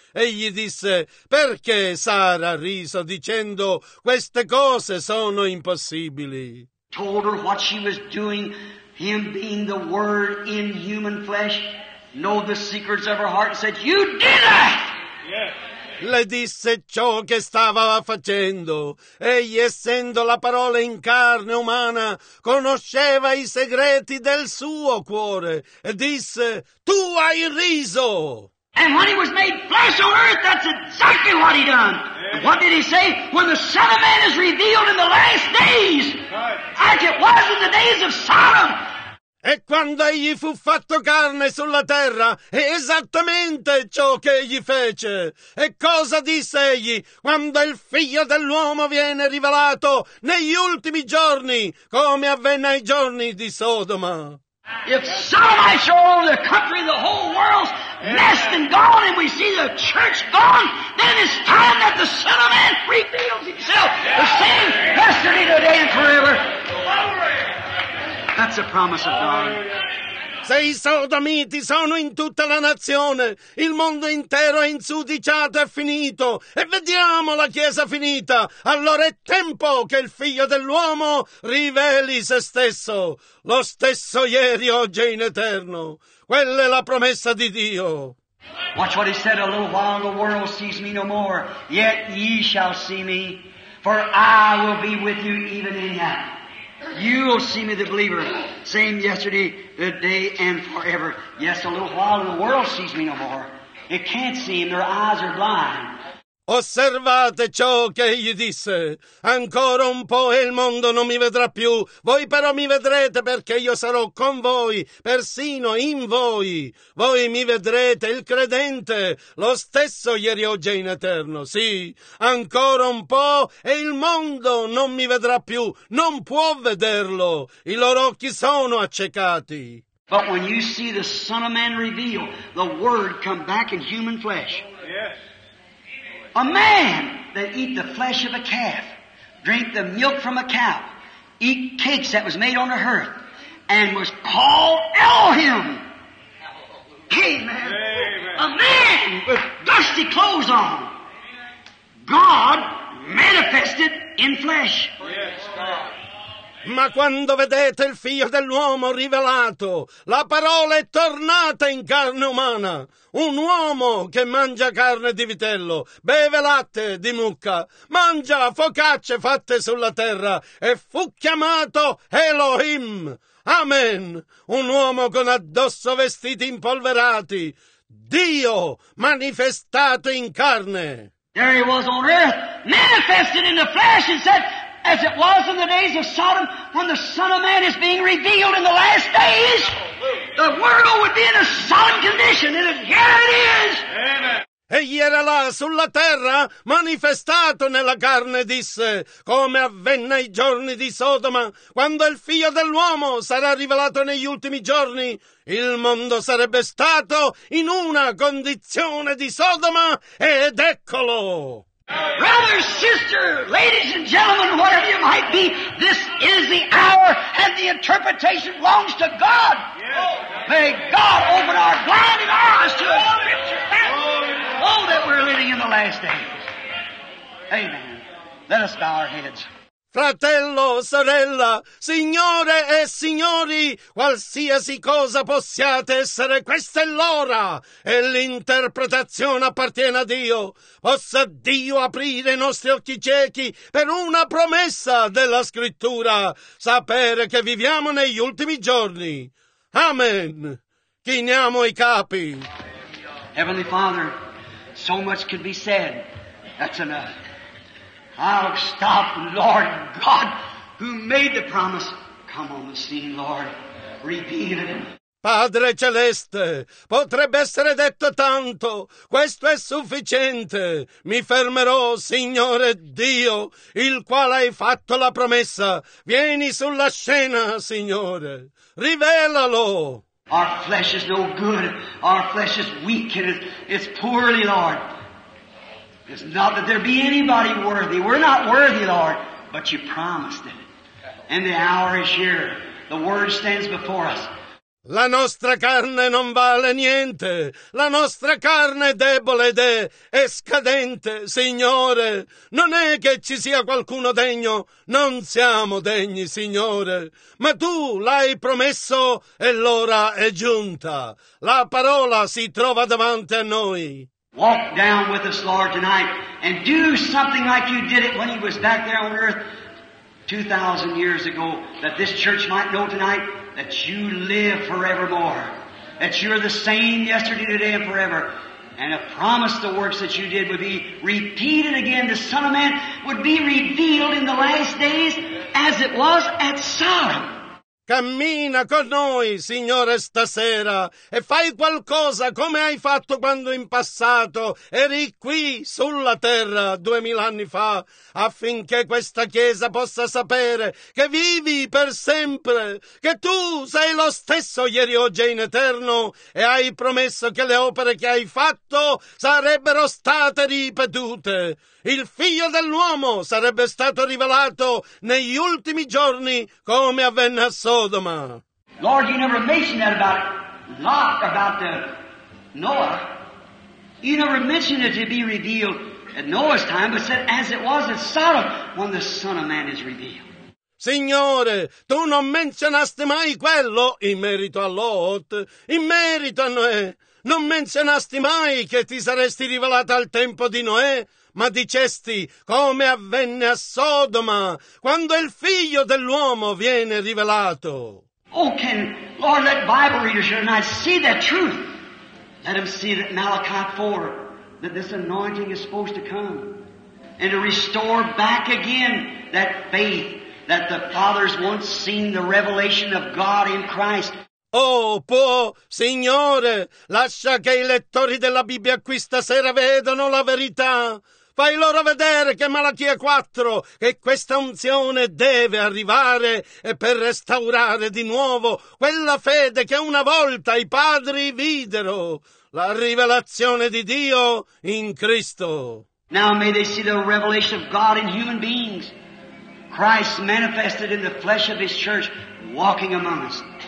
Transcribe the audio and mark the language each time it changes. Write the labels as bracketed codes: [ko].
[it] Egli disse, perché Sara riso dicendo, queste cose sono impossibili? [en] Told her what she was doing, him being the word in human flesh, know the secrets of her heart, and said, you did it! Yes. Le disse ciò che stava facendo. Egli, essendo la parola in carne umana, conosceva i segreti del suo cuore e disse, tu hai riso. And when he was made flesh on earth, that's exactly what he done. Yeah. What did he say? When the Son of Man is revealed in the last days, right, like it was in the days of Sodom. [it] E quando egli fu fatto carne sulla terra, è esattamente ciò che egli fece. E cosa disse egli? Quando il figlio dell'uomo viene rivelato negli ultimi giorni, come avvenne ai giorni di Sodoma. [en] If Sodom, I show all the country, the whole world's messed and gone, and we see the church gone, then it's time that the Son of Man reveals himself the same yesterday, today, and forever. That's a promise of God. [it] Se i sodomiti sono in tutta la nazione, il mondo intero è insudiciato e finito, e vediamo la Chiesa finita, allora è tempo che il Figlio dell'uomo riveli se stesso, lo stesso ieri, oggi e in eterno. Quella è la promessa di Dio. [en] Watch what he said a little while, the world sees me no more, yet ye shall see me, for I will be with you even in that. You will see me, the believer, same yesterday, today, and forever. Yes, a little while and the world sees me no more. It can't see him, their eyes are blind. [it] Osservate ciò che egli disse. Ancora un po' e il mondo non mi vedrà più. Voi però mi vedrete perché io sarò con voi, persino in voi. Voi mi vedrete, il credente, lo stesso ieri, oggi e in eterno. Sì, ancora un po' e il mondo non mi vedrà più. Non può vederlo. I loro occhi sono accecati. [en] But when you see the Son of Man revealed, the Word come back in human flesh. Yes. A man that eat the flesh of a calf, drink the milk from a cow, eat cakes that was made on the hearth, and was called Elohim. Amen. Amen. A man with dusty clothes on. God manifested in flesh. Yes, God. [it] Ma quando vedete il Figlio dell'uomo rivelato, la parola è tornata in carne umana. Un uomo che mangia carne di vitello, beve latte di mucca, mangia focacce fatte sulla terra e fu chiamato Elohim. Amen. Un uomo con addosso vestiti impolverati. Dio manifestato in carne. [en] There he was on earth, manifested in the flesh and said, as it was in the days of Sodom, when the Son of Man is being revealed in the last days, the world would be in a Sodom condition, and here it is. Amen. [it] Egli era là sulla terra, manifestato nella carne, disse, come avvenne ai giorni di Sodoma, quando il Figlio dell'uomo sarà rivelato negli ultimi giorni, il mondo sarebbe stato in una condizione di Sodoma, ed eccolo. [en] Brother, sister, ladies and gentlemen, whatever you might be, this is the hour, and the interpretation belongs to God. Yes. May God open our blinded eyes to a scripture. Oh, that we're living in the last days. Amen. Let us bow our heads. [it] Fratello, sorella, signore e signori, qualsiasi cosa possiate essere, questa è l'ora e l'interpretazione appartiene a Dio. Possa Dio aprire i nostri occhi ciechi per una promessa della Scrittura, sapere che viviamo negli ultimi giorni. Amen. Chiniamo i capi. [en] Heavenly Father, so much could be said. That's enough. I'll stop, Lord God, who made the promise. Come on the scene, Lord. Reveal it. [it] Padre Celeste, potrebbe essere detto tanto. Questo è sufficiente. Mi fermerò, Signore Dio, il quale hai fatto la promessa. Vieni sulla scena, Signore. Rivelalo. [en] Our flesh is no good. Our flesh is weak. It's poorly, Lord. It's not that there be anybody worthy. We're not worthy, Lord, but you promised it. And the hour is here. The word stands before us. [it] La nostra carne non vale niente. La nostra carne è debole ed è scadente, Signore. Non è che ci sia qualcuno degno. Non siamo degni, Signore. Ma Tu l'hai promesso e l'ora è giunta. La parola si trova davanti a noi. [en] Walk down with us, Lord, tonight, and do something like you did it when he was back there on earth 2,000 years ago, that this church might know tonight that you live forevermore, that you're the same yesterday, today, and forever, and a promise the works that you did would be repeated again. The Son of Man would be revealed in the last days as it was at Sodom. [it] Cammina con noi, Signore, stasera, e fai qualcosa come hai fatto quando in passato eri qui sulla terra 2000 anni fa, affinché questa Chiesa possa sapere che vivi per sempre, che tu sei lo stesso ieri, oggi e in eterno, e hai promesso che le opere che hai fatto sarebbero state ripetute. Il Figlio dell'uomo sarebbe stato rivelato negli ultimi giorni, come avvenne a Sodoma. [en] Lord, you never mentioned that about Lot, about the Noah. You never mentioned it to be revealed at Noah's time, but said as it was at Sodom when the Son of Man is revealed. [it] Signore, tu non menzionaste mai quello in merito a Lot, in merito a Noè. Non menzionasti mai che ti saresti rivelato al tempo di Noè, ma dicesti come avvenne a Sodoma, quando il Figlio dell'uomo viene rivelato. [en] Oh, can Lord let Bible readers tonight see that truth? Let them see that Malachi 4, that this anointing is supposed to come, and to restore back again that faith that the fathers once seen the revelation of God in Christ. [it] Oh, può, Signore, lascia che i lettori della Bibbia qui stasera vedano la verità. Fai loro vedere che Malachia 4, che questa unzione deve arrivare e per restaurare di nuovo quella fede che una volta i padri videro, la rivelazione di Dio in Cristo. [en] Now may they see the revelation of God in human beings, Christ manifested in the flesh of his church, walking among us.